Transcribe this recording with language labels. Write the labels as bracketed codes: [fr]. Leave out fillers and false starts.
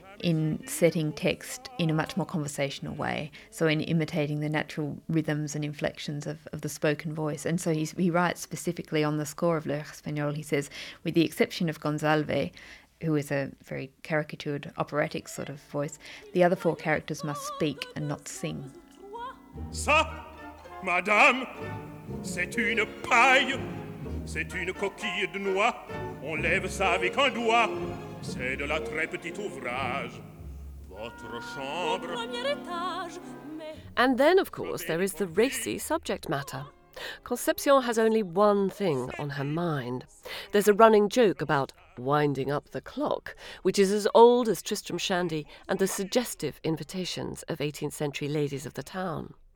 [en] in setting text in a much more conversational way, so in imitating the natural rhythms and inflections of the spoken voice. And so he writes specifically on the score of L'Heure Espagnole, he says, with the exception of Gonzalve, who is a very caricatured operatic sort of voice, the other four characters must speak and not sing. [fr] Ça, madame, c'est une paille, c'est une coquille de noix, on lève ça avec un doigt, c'est de la très petite ouvrage, votre chambre. [en] And then, of course, there is the racy subject matter. Concepcion has only one thing on her mind. There's a running joke about winding up the clock, which is as old as Tristram Shandy and the suggestive invitations of 18th century ladies of the town.